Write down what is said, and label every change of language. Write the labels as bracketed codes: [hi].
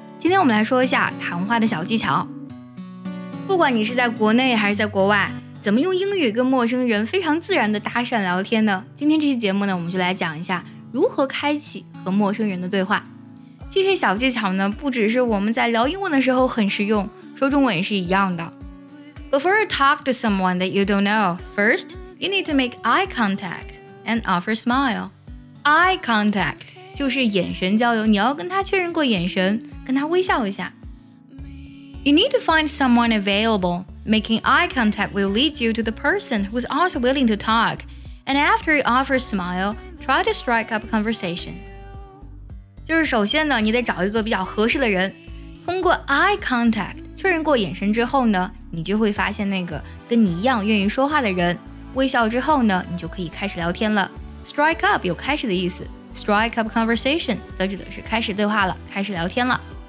[zh] 今天我们来说一下谈话的小技巧。不管你是在国内还是在国外，怎么用英语跟陌生人非常自然的搭讪聊天呢？今天这期节目呢，我们就来讲一下如何开启和陌生人的对话。这些小技巧呢，不只是我们在聊英文的时候很实用，说中文也是一样的。 [en] Before you talk to someone that you don't know, first you need to make eye contact and offer a smile. Eye contact. [zh] 就是眼神交流，你要跟他确认过眼神，跟他微笑一下。 [en] You need to find someone available. Making eye contact will lead you to the person who is also willing to talk. And after you offer a smile, try to strike up a conversation. [zh] 就是首先呢，你得找一个比较合适的人，通过 eye contact 确认过眼神之后呢，你就会发现那个跟你一样愿意说话的人，微笑之后呢，你就可以开始聊天了。 [en] Strike up [zh] 有开始的意思。 [en] Strike up conversation [zh] 则指的是开始对话了，开始聊天了。